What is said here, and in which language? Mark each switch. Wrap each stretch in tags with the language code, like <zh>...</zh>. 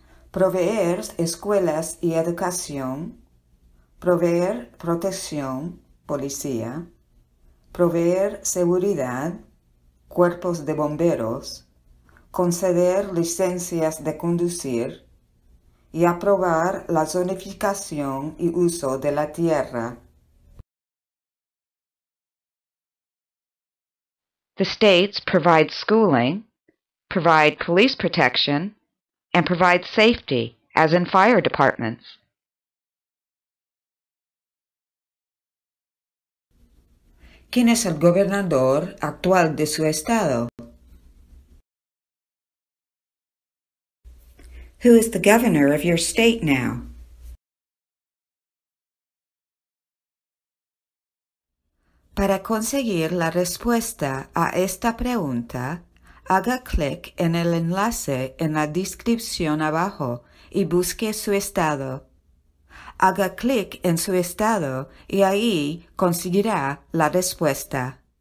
<es>Proveer escuelas y educación, proveer protección, policía, proveer seguridad, cuerpos de bomberos, conceder licencias de conducir y aprobar la zonificación y uso de la tierra.</es> <en>The states provide schooling, provide police protection, and provide safety, as in fire departments.</en> <es>¿Quién es el gobernador actual de su estado?</es> <en>Who is the governor of your state now?</en> <es>Para conseguir la respuesta a esta pregunta, haga clic en el enlace en la descripción abajo y busque su estado. Haga clic en su estado y ahí conseguirá la respuesta.</es>